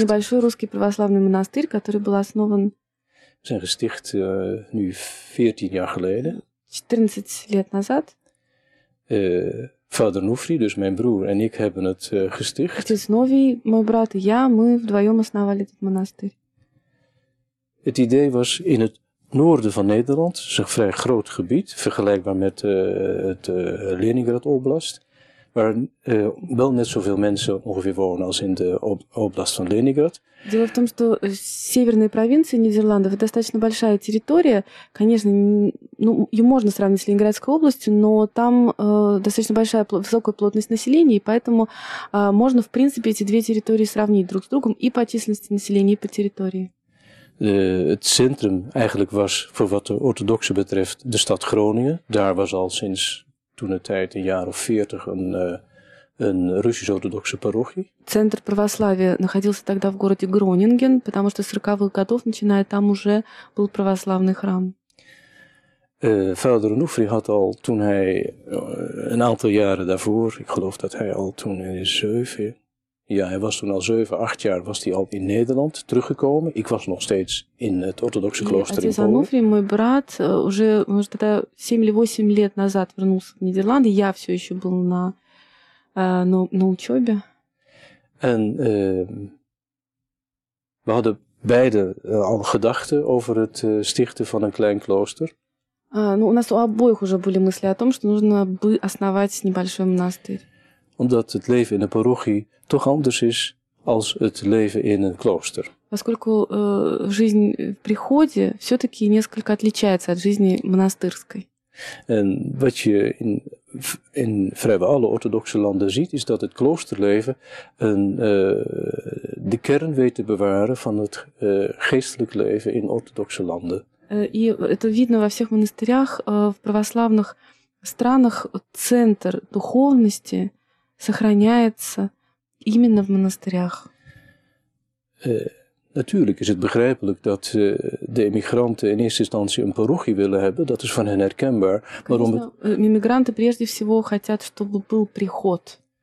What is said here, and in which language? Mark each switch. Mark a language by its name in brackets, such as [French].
[Russian] Небольшой русский православный монастырь, который был основан [Dutch] zijn gesticht nu 14 jaar geleden. [Russian] 14 лет назад. [Dutch] Vader Nufri, dus mijn broer en ik hebben het gesticht. Het is Novi, mijn broer en ik, [Russian] мы вдвоем основали этот монастырь. [Dutch] Het idee was in het noorden van Nederland, dus een vrij groot gebied, vergelijkbaar met het Leningrad Oblast, waar wel net zoveel mensen ongeveer wonen als in de oblast van Leningrad. [Russian] Дело в том, что северные провинции Нидерландов это достаточно большая территория. Конечно, ну, ее можно сравнить с Ленинградской областью, но там достаточно большая высокая плотность населения, и поэтому можно, в принципе, эти две территории сравнить друг с другом и по численности населения, и по территории. [Dutch] Het centrum eigenlijk was, voor wat de orthodoxe betreft, de stad Groningen. Daar was al sinds toen de tijd, een jaar of 40, een Russisch-orthodoxe parochie. [Russian] Центр православия находился тогда в городе Гронинген, потому что с 40-х годов начиная там уже был православный храм. [Dutch] Vader Onofri had al toen hij een aantal jaren daarvoor, ik geloof dat hij al toen in zeven, ja, hij was toen al zeven, acht jaar, was hij al in Nederland teruggekomen. Ik was nog steeds in het orthodoxe klooster in Polen. [Russian] Onofri, [Dutch] mijn brat, [Russian] уже, может, тогда 7 или 8 лет назад вернулся в Нидерланды, я все еще был на учебе. [Dutch] En we hadden beide al gedachten over het stichten van een klein klooster. [Russian] Ну, у нас у обоих уже были мысли о том, что нужно бы основать небольшой монастырь. [Dutch] Omdat het leven in een parochie toch anders is als het leven in een klooster. [Russian] Поскольку жизнь в приходе все-таки несколько отличается от жизни монастырской. [Dutch] En wat je in vrijwel alle orthodoxe landen ziet, is dat het kloosterleven de kern weet te bewaren van het geestelijk leven in orthodoxe landen. [Russian] И это видно во всех монастырях, в православных странах центр духовности сохраняется именно в монастырях. [Dutch] Natuurlijk is het begrijpelijk dat de emigranten in eerste instantie een parochie willen hebben. Dat is van hen herkenbaar. Maar om het... [Russian] Emigranten прежде всего хотят, чтобы был приход.